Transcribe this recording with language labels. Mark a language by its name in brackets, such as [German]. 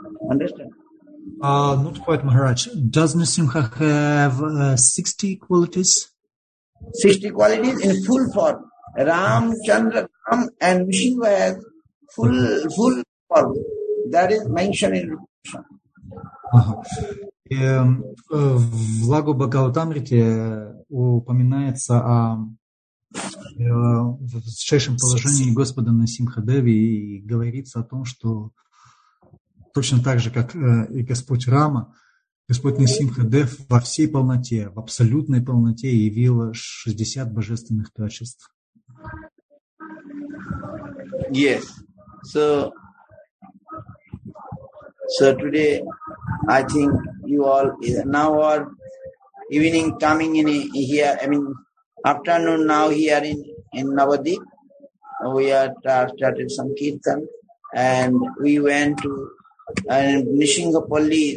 [English] Understand? Not quite, Maharaj. Does Nrisimha have 60 qualities? 60 qualities in full form. Ram, Chandra, Ram and Nrisimha have full form. That is mentioned in Rupa Goswami. [Russian] В Лагу Бхагаватамрите упоминается о высочайшем положении Господа Нрисимха Деви и говорится о том, что точно так же, как и Господь Рама, Господь Нрисимха Дев во всей полноте, в абсолютной полноте явил 60 божественных качеств. [English] Yes. So today, I think you all now are evening coming in here. I mean, afternoon now here in Navadip. We are started some kirtan, and we went to Nrisimhapalli.